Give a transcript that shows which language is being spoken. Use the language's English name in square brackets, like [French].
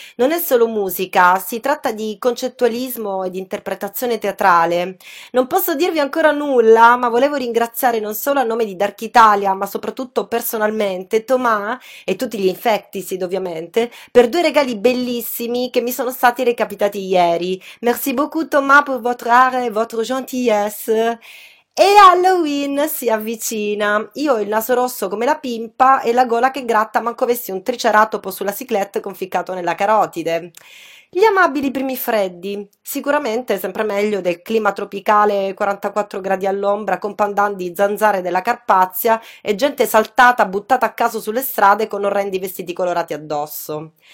[Italian] Non è solo musica, si tratta di concettualismo e di interpretazione teatrale. Non posso dirvi ancora nulla, ma volevo ringraziare non solo a nome di Dark Italia, ma soprattutto personalmente Thomas e tutti gli Infected, ovviamente, per due regali bellissimi che mi sono stati recapitati ieri. [French] Merci beaucoup Thomas pour votre art et votre gentillesse. [Italian] E Halloween si avvicina. Io ho il naso rosso come la pimpa e la gola che gratta manco avessi un triceratopo sulla ciclette conficcato nella carotide. Gli amabili primi freddi, sicuramente sempre meglio del clima tropicale 44 gradi all'ombra con pandandi zanzare della Carpazia e gente saltata buttata a caso sulle strade con orrendi vestiti colorati addosso.